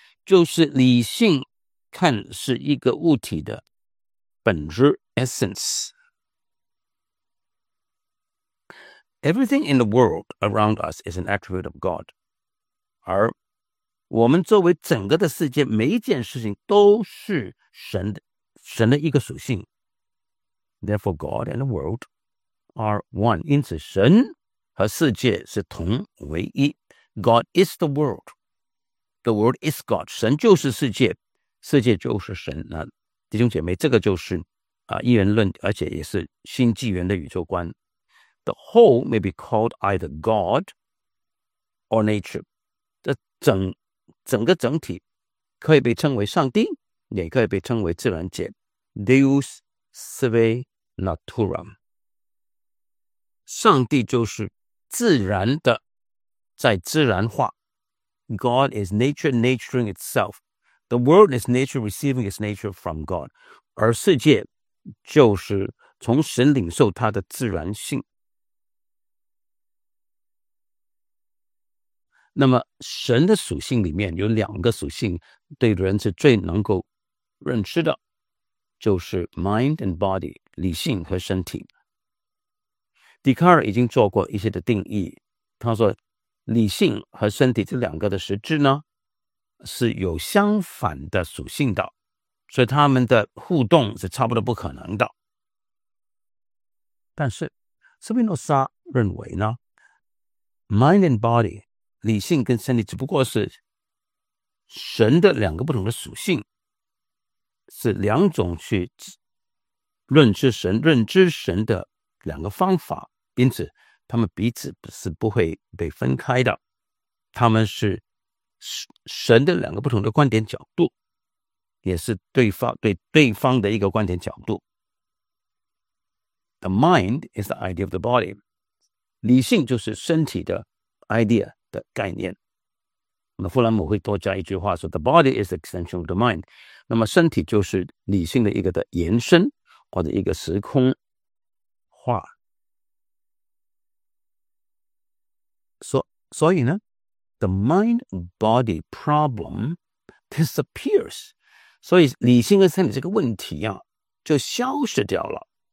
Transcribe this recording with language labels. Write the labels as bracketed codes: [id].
[zh] 就是理性看是一个物体的本质 essence。 [en] Everything in the world around us is an attribute of God， [zh] 而我们周围整个的世界每一件事情都是神的一个属性。 [en] Therefore God and the world are one， [zh] 因此神和世界是同为一。 [en] God is the world， the world is God， [zh] 神就是世界，世界就是神。那弟兄姐妹，这个就是一元论，而且也是新纪元的宇宙观。 [en] The whole may be called either God or nature， [zh] 这整个整体可以被称为上帝，也可以被称为自然界， [la] Deus sive naturam， [zh] 上帝就是自然的，在自然化。 [en] God is nature naturing itself， The world is nature receiving its nature from God， [zh] 而世界就是从神领受它的自然性。那么神的属性里面有两个属性对人是最能够认知的，就是 [en] mind and body， [zh] 理性和身体。笛卡尔已经做过一些的定义，他说理性和身体这两个的实质呢是有相反的属性的，所以他们的互动是差不多不可能的。但是斯宾诺莎认为呢， [en] Mind and body [zh] 理性跟身体只不过是神的两个不同的属性，是两种去认知神，认知神的两个方法，因此他们彼此是不会被分开的，他们是神的两个不同的观点角度，也是对方对对方的一个观点角度。 [en] The mind is the idea of the body， [zh] 理性就是身体的 [en] idea 的概念。 [zh] 那弗兰姆会多加一句话说 [en] The body is the extension of the mind， [zh] 那么身体就是理性的一个的延伸或者一个时空化。所以呢 [en] The mind-body problem disappears， [zh] 所以理性跟身体这个问题啊就消失掉了。